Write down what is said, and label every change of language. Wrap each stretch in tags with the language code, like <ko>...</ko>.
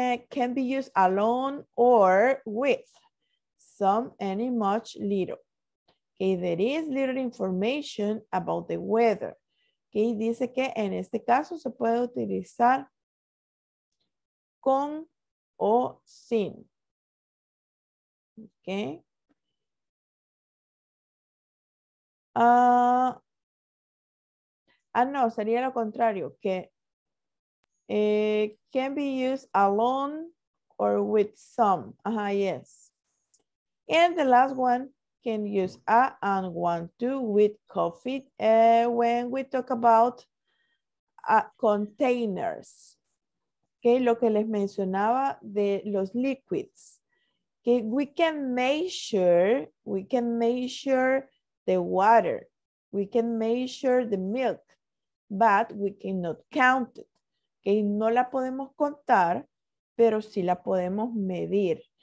<en>Can be used alone or with some, any, much, little. Okay, there is little information about the weather.</en> <es>Okay, dice que en este caso se puede utilizar con o sin.</es> <en>Okay.</en> <es>No, sería lo contrario, que</es> <en>can be used alone or with some. Yes. And the last one, can use a and want to with coffee when we talk about containers.</en> <es>Okay, lo que les mencionaba de los liquids.</es> <en>Okay, we can measure the water, we can measure the milk, but we cannot count it.</en> <es>Okay, no la podemos contar, pero sí la podemos medir.</es>